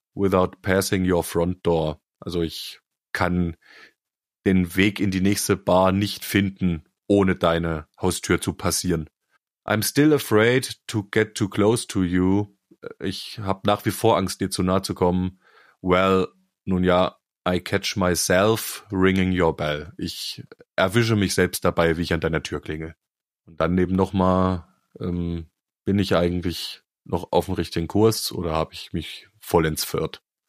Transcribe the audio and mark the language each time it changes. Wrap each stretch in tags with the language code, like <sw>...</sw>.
<en>without passing your front door.</en> <de>Also ich kann den Weg in die nächste Bar nicht finden, ohne deine Haustür zu passieren.</de> <en>I'm still afraid to get too close to you.</en> <de>Ich habe nach wie vor Angst, dir zu nahe zu kommen. Well, nun ja,</de> <en>I catch myself ringing your bell.</en> <de>Ich erwische mich selbst dabei, wie ich an deiner Tür klingel. Und dann eben nochmal, bin ich eigentlich noch auf dem richtigen Kurs oder habe ich mich vollends verirrt?</de>